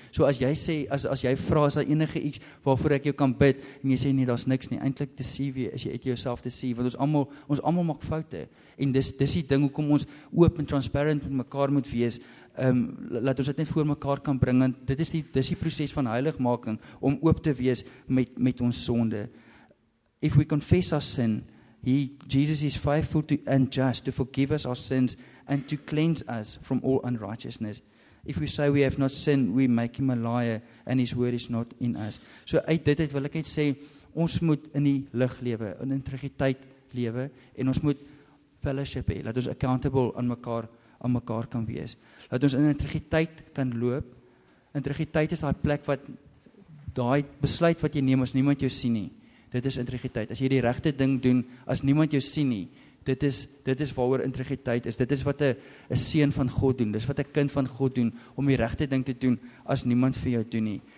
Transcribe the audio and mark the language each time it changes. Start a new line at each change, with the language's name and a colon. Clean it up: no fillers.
Afrikaans: So as jy sê, as jy vra, is daar enige iets waarvoor ek jou kan bid, en jy sê nee, daar is niks nie, eintlik deceive jy, is jy uit jouself deceive, want ons allemaal maak foute, en dis die ding, hoekom ons oop en transparant met mekaar moet wees, laat ons dit net voor mekaar kan bring, en dis die proses van heiligmaking, om oop te wees met ons sonde.
English: If we confess our sin, Jesus is faithful and just to forgive us our sins and to cleanse us from all unrighteousness. If we say we have not sinned, we make him a liar and his word is not in us.
Afrikaans: So uit dit het wil ek net sê, ons moet in die lig lewe, in integriteit lewe, en ons moet fellowship hê, laat ons accountable aan mekaar kan wees. Laat ons in integriteit kan loop. Integriteit is daai plek wat daai besluit wat jy neem as niemand jou sien nie. Dit is integriteit. As jy die regte ding doen as niemand jou sien nie, dit is waaroor integriteit is. Dit is wat 'n seun van God doen. Dis wat 'n kind van God doen, om die regte ding te doen as niemand vir jou doen nie.